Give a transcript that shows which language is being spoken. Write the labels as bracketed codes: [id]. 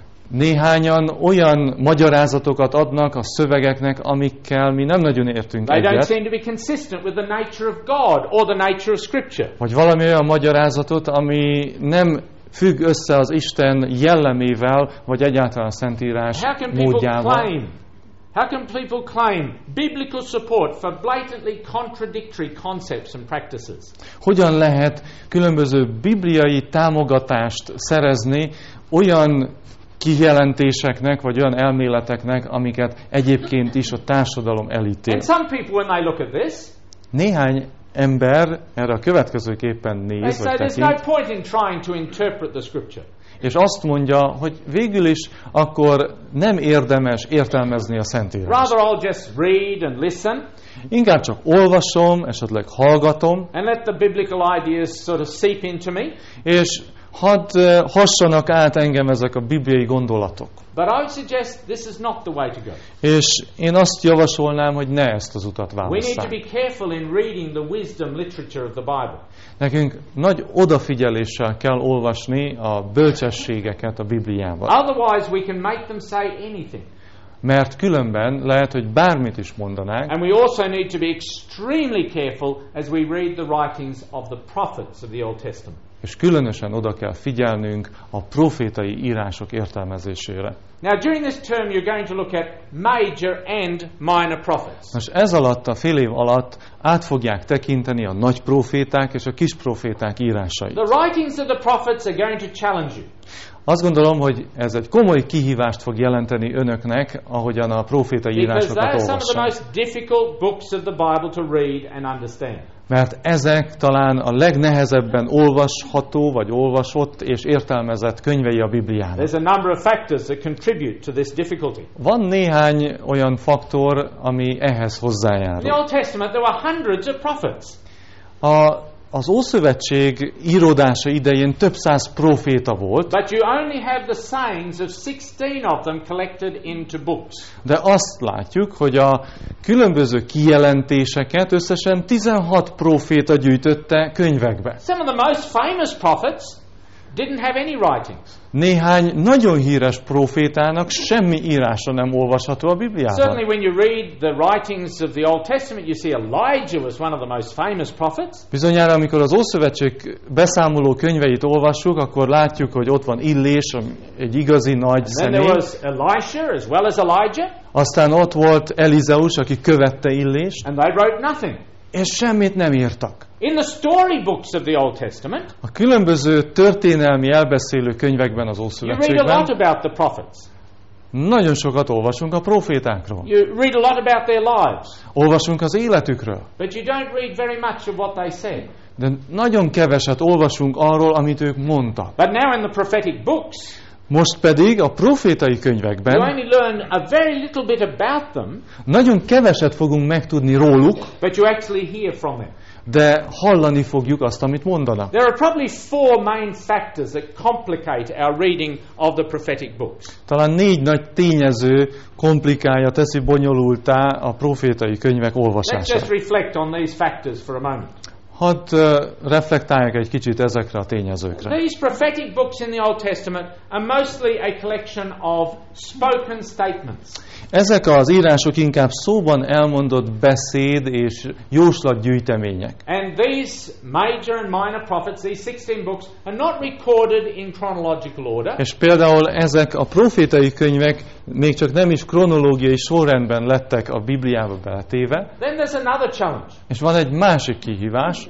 [hu] Néhányan olyan magyarázatokat adnak a szövegeknek, amikkel mi nem nagyon értünk [en] They [hu] egyet. [en] They don't seem to be consistent with the nature of God or the nature of Scripture. [hu] Vagy valami olyan magyarázatot, ami nem függ össze az Isten jellemével, vagy egyáltalán a Szentírás módjával. [en] How can people claim biblical support for blatantly contradictory concepts and practices? [hu] Hogyan lehet különböző bibliai támogatást szerezni olyan kijelentéseknek, vagy olyan elméleteknek, amiket egyébként is a társadalom elítél? [en] And some people, when they look at this, [hu] néhány ember erre a következőképpen néz, vagy tekint, és azt mondja, hogy végül is akkor nem érdemes értelmezni a Szentírást. [en] Rather I'll just read and listen. [hu] Inkább csak olvasom, esetleg hallgatom, [en] and let the biblical ideas sort of seep into me. [hu] És hadd hassanak át engem ezek a bibliai gondolatok. [en] But I would suggest this is not the way to go. [hu] És én azt javasolnám, hogy ne ezt az utat választják. [en] We need to be careful in reading the wisdom literature of the Bible. [hu] Nekünk nagy odafigyeléssel kell olvasni a bölcsességeket a Bibliában. [en] Otherwise we can make them say anything. [hu] Mert különben lehet, hogy bármit is mondanánk. [en] And we also need to be extremely careful as we read the writings of the prophets of the Old Testament. [hu] És különösen oda kell figyelnünk a prófétai írások értelmezésére. [en] Now during this term you're going to look at major and minor prophets. [hu] Nos, ez alatt, a fél év alatt át fogják tekinteni a nagy proféták és a kis proféták írásait. [en] The writings of the prophets are going to challenge you. [hu] Azt gondolom, hogy ez egy komoly kihívást fog jelenteni önöknek, ahogyan a prófétai írásokat olvassák. [en] Because they are some of the most difficult books of the Bible to read and understand. [hu] Mert ezek talán a legnehezebben olvasható, vagy olvasott és értelmezett könyvei a Bibliának. [en] There's a number of factors that contribute to this difficulty. [hu] Van néhány olyan faktor, ami ehhez hozzájárul. [en] In the Old Testament there were hundreds of prophets. [hu] Az Ószövetség íródása idején több száz proféta volt. [en] But you only have the sayings of 16 of them collected into books. [hu] De azt látjuk, hogy a különböző kijelentéseket összesen 16 proféta gyűjtötte könyvekbe. [en] Some of the most famous prophets. didn't have any writings. [hu] Néhány nagyon híres prófétának semmi írása nem olvasható a Bibliában. [en] Certainly when you read the writings of the Old Testament, you see Elijah was one of the most famous prophets. [hu] Bizonyára, amikor az Ószövetség beszámoló könyveit olvassuk, akkor látjuk, hogy ott van Illés, egy igazi nagy [en] and [hu] személy. [en] Then there was Elisha as well as Elijah. [hu] Aztán ott volt Elizeus, aki követte Illést. [en] And they wrote nothing. [hu] És semmit nem írtak. [en] In the story books of the Old Testament, [hu] a különböző történelmi elbeszélő könyvekben az Ószövetségben. [en] You read a lot about the prophets. [hu] Nagyon sokat olvasunk a prófétánkról. [en] You read a lot about their lives. [hu] Olvasunk az életükről. [en] But you don't read very much of what they said. [hu] De nagyon keveset olvasunk arról, amit ők mondtak. [en] But now in the prophetic books, [hu] most pedig a prófétai könyvekben [en] you only learn a very little bit about them, [hu] nagyon keveset fogunk megtudni róluk, [en] but you actually hear from them. [hu] De hallani fogjuk azt, amit mondanak. [en] There are probably four main factors that complicate our reading of the prophetic books. [hu] Talán négy nagy tényező komplikálja, teszi bonyolultá a prófétai könyvek olvasását. [en] Let's just reflect on these factors for a moment. [hu] Hadd reflektáljak egy kicsit ezekre a tényezőkre. [en] These prophetic books in the Old Testament are mostly a collection of spoken statements. [hu] Ezek az írások inkább szóban elmondott beszéd és jóslat gyűjtemények. [en] And these major and minor prophets, these 16 books, are not recorded in chronological order. [hu] És például ezek a prófétai könyvek még csak nem is kronológiai sorrendben lettek a Bibliába beletéve. [en] Then there's another challenge. [hu] És van egy másik kihívás.